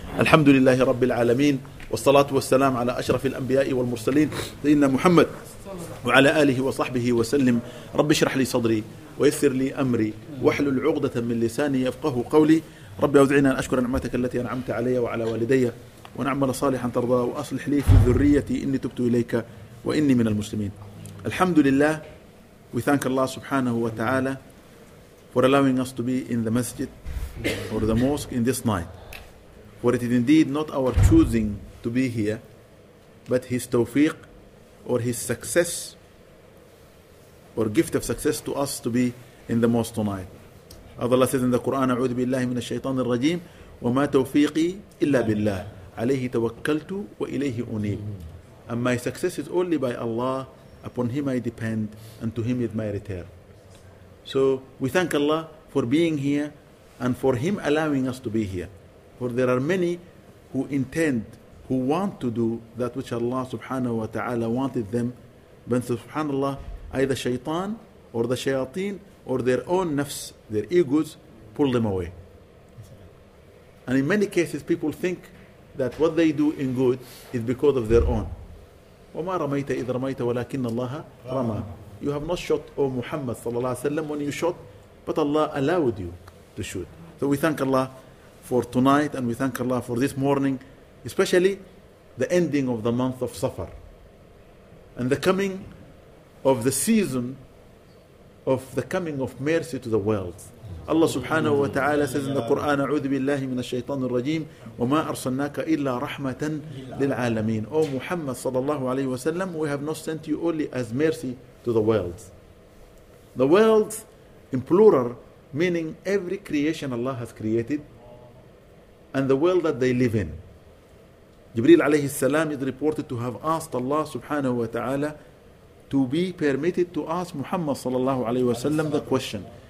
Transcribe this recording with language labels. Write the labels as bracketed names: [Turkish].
[Arabic] الحمد لله رب العالمين، والصلاة والسلام على أشرف الأنبياء والمرسلين سيدنا محمد وعلى آله وصحبه وسلم. رب اشرح لي صدري ويسر لي أمري واحلل عقدة من لساني يفقه قولي. رب أوزعني أن أشكر نعمتك التي أنعمت علي وعلى والدي وأن أعمل صالحا ترضى وأصلح لي في ذريتي إني تبت إليك وإني من المسلمين. الحمد لله. [English] We thank Allah subhanahu wa ta'ala for allowing us to be in the masjid or the mosque in this night. For it is indeed not our choosing to be here, but His tawfiq or His success or gift of success to us to be in the mosque tonight. As Allah says in the Quran, [Arabic] أعوذ بالله من الشيطان الرجيم وما توفيقي إلا بالله عليه توكلت وإليه أنيب. [English] And my success is only by Allah, upon Him I depend, and to Him is my return. So we thank Allah for being here and for Him allowing us to be here. For there are many who intend, who want to do that which Allah subhanahu wa ta'ala wanted them. But subhanallah, either shaitan or the shayateen or their own nafs, their egos, pull them away. And in many cases, people think that what they do in good is because of their own. [Arabic] وَمَا رَمَيْتَ إِذْ رَمَيْتَ وَلَكِنَّ اللَّهَ رَمَى. [English] You have not shot, O Muhammad sallallahu alayhi wa sallam, when you shot, but Allah allowed you to shoot. So we thank Allah for tonight, and we thank Allah for this morning, especially the ending of the month of Safar and the coming of the season of the coming of mercy to the world. Allah subhanahu wa ta'ala says in the Quran, [Arabic] أعوذ بالله من الشيطان الرجيم وما أرسلناك إلا رحمة للعالمين. [English] O Muhammad sallallahu alayhi wa sallam, we have not sent you only as mercy to the world. The world in plural, meaning every creation Allah has created and the world that they live in. Jibreel alayhi salam is reported to have asked Allah subhanahu wa ta'ala to be permitted to ask Muhammad sallallahu alayhi wa sallam the question.